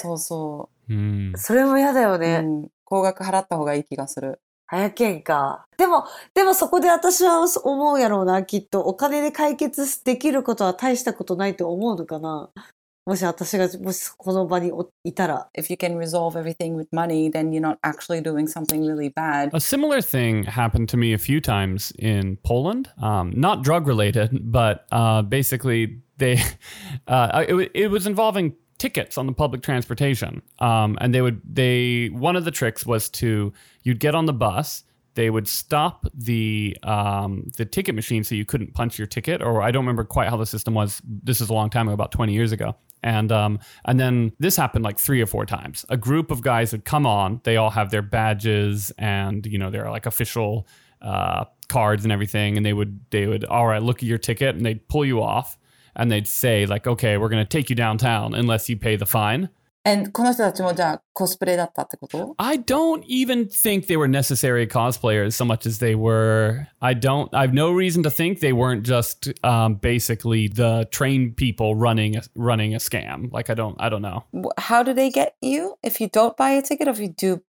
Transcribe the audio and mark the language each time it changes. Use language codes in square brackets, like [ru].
[ja] そうそう。それも嫌だよね。高額払った方がいい気がする。早けんか。でもそこで私は思うやろうな、きっと。お金で解決できることは大したことないと思うのかな。もし私が、もしこの場にいたら。 [en] If you can resolve everything with money, then you're not actually doing something really bad. A similar thing happened to me a few times in Poland. Not drug related, but basically it was involving tickets on the public transportation. One of the tricks was to, you'd get on the bus, they would stop the ticket machine so you couldn't punch your ticket, or I don't remember quite how the system was. This is a long time ago, about 20 years ago. And then this happened like 3 or 4 times. A group of guys would come on, they all have their badges and, you know, they're like official cards and everything. And they would, all right, look at your ticket, and they'd pull you off. And they'd say, like, okay, we're going to take you downtown unless you pay the fine. [ja] And この人たちもじゃあコスプレだったってこと? [en] I don't even think they were necessary cosplayers so much as they were. I have no reason to think they weren't just basically the train people running a scam. Like, I don't know. How do they get you if you don't buy a ticket or if you do